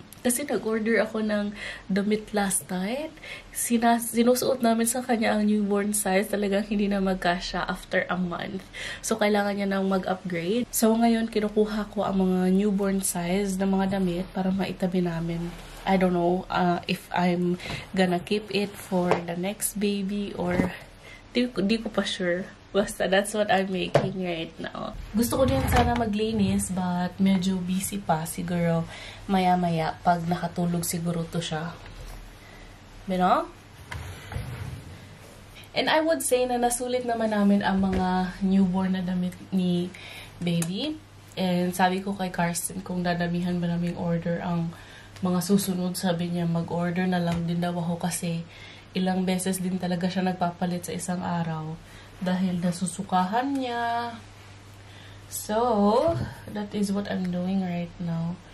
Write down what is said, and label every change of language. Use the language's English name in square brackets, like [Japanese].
[Filipino] Kasi nag-order ako ng damit [English] last night. [Filipino] Sinusuot namin sa kanya ang newborn size. Talagang hindi na magkasya [English] after a month. [Filipino] So, kailangan niya nang mag-upgrade. So, ngayon, kinukuha ko ang mga newborn size na mga damit para maitabi namin. [English] I don't know if I'm gonna keep it for the next baby or [Filipino] di ko pa sure. Basta [English] that's what I'm making right now. [Filipino] Gusto ko din sana maglinis, but medyo busy pa siguro maya-maya pag nakatulog siguro to siya. [English] You know? And I would say [Filipino] na nasulit naman namin ang mga newborn na damit ni baby. And sabi ko kay Carson kung dadamihan ba namin order ang mga susunod, sabi niya, mag-order na lang din daw ako kasi ilang beses din talaga siya nagpapalit sa isang araw dahil nasusukahan niya. [English] So, that is what I'm doing right now.